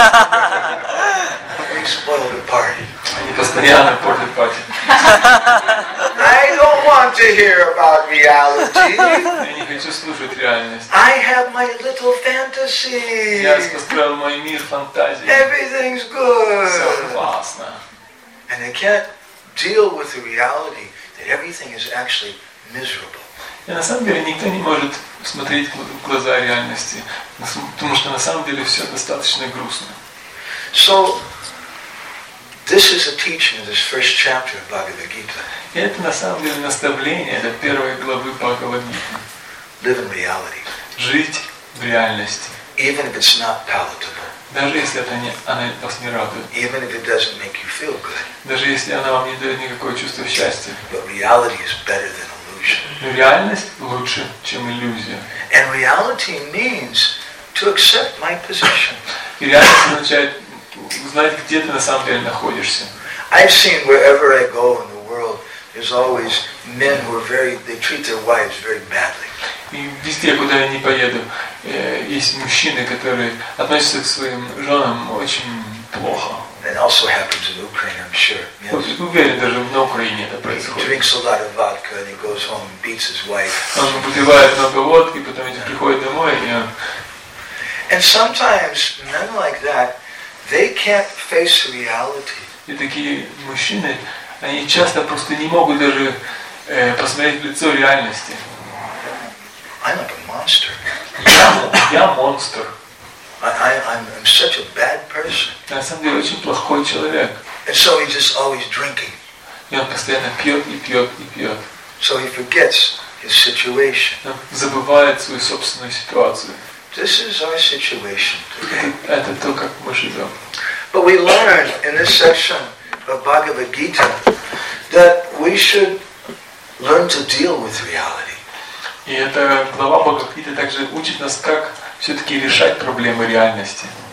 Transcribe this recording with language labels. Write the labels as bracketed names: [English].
[English] Кришне. They spoiled the party. [Russian] Они постоянно портят пати. [English] I don't want to hear about reality. [Russian] Я не хочу слушать реальность. [English] I have my little fantasy. [Russian] Я построил мой мир фантазии. [English] Everything's good. [Russian] Все классно. [English] And I can't deal with the reality that everything is actually miserable. [Russian] И на самом деле никто не может смотреть в глаза реальности, потому что на самом деле все достаточно грустно. [English] So This is a teaching of this first chapter of Bhagavad Gita. [Russian] Это на самом деле наставление для первой главы Бхагавад Гиты. [English] Live in reality. [Russian] Жить в реальности. [English] Even if it's not palatable. [Russian] Даже если это не, она вас не радует. [English] Even if it doesn't make you feel good. [Russian] Даже если она вам не дает никакого чувства счастья. [English] But reality is better than illusion. [Russian] Но реальность лучше, чем иллюзия. [English] And reality means to accept my position. [Russian] И реальность означает узнать, где ты на самом деле находишься. [English] I've seen wherever I go in the world, there's always men who are very, they treat their wives very badly. [Russian] И везде, куда я не поеду, есть мужчины, которые относятся к своим женам очень плохо. [English] And also happens in Ukraine, I'm sure. Yes. [Russian] Уверен, даже на Украине это происходит. [English] He drinks a lot of vodka and he goes home and beats his wife. [Russian] Он выпивает много водки, потом идет, приходит домой и он. [English] And sometimes men like that, they can't face reality. [Russian] И такие мужчины, они часто просто не могут даже посмотреть в лицо реальности. [English] I'm like a monster. [Russian] Я монстр. [English] I'm such a bad person. [Russian] На самом деле очень плохой человек. [English] And so he's just always drinking. [Russian] И он постоянно пьет и пьет и пьет. [English] So he forgets his situation. [Russian] Он забывает свою собственную ситуацию. [English] This is our situation today. [Russian] Это то, как мы живем. [English] But we learned in this section of Bhagavad Gita that we should learn to deal with reality. [Russian] И эта глава Бхагавад Гиты также учит нас, как все-таки решать проблемы реальности.